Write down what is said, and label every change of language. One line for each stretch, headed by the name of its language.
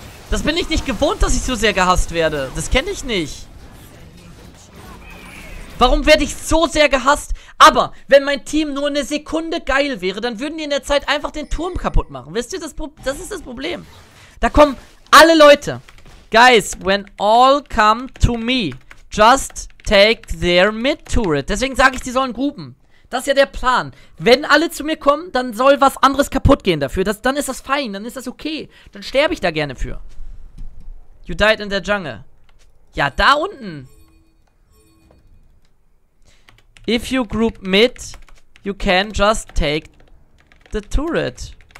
German: Das bin ich nicht gewohnt, dass ich so sehr gehasst werde. Das kenne ich nicht. Warum werde ich so sehr gehasst? Aber wenn mein Team nur eine Sekunde geil wäre, dann würden die in der Zeit einfach den Turm kaputt machen. Wisst ihr, das ist das Problem. Da kommen alle Leute.
English: Guys, when all come to me, just take their mid-turret.
German: Deswegen sage ich, die sollen gruben. Das ist ja der Plan. Wenn alle zu mir kommen, dann soll was anderes kaputt gehen dafür. Dann ist das fein, dann ist das okay. Dann sterbe ich da gerne für.
English: You died in the jungle.
German: Ja, da unten.
English: If you group mid, you can just take the turret.